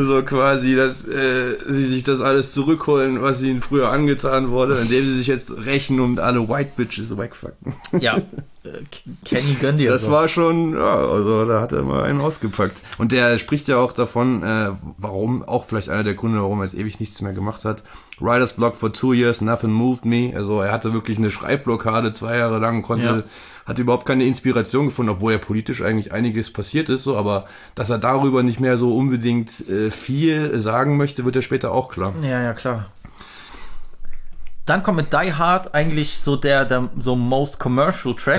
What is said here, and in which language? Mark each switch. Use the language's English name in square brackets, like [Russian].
[German] So quasi, dass sie sich das alles zurückholen, was ihnen früher angetan wurde, indem sie sich jetzt rächen und alle white bitches wegfucken. Ja, Kenny gönnt dir das. Das so. War schon, ja, also da hat er mal einen ausgepackt. Und der spricht ja auch davon, warum, auch vielleicht einer der Gründe, warum er jetzt ewig nichts mehr gemacht hat. [English] Writer's Block for 2 years, nothing moved me. [German] Also er hatte wirklich eine Schreibblockade 2 Jahre lang, konnte, hat überhaupt keine Inspiration gefunden, obwohl ja politisch eigentlich einiges passiert ist, so, aber dass er darüber nicht mehr so unbedingt viel sagen möchte, wird ja später auch klar. Ja, ja, klar. Dann kommt mit Die Hard eigentlich so der so [English] most commercial [German] Track.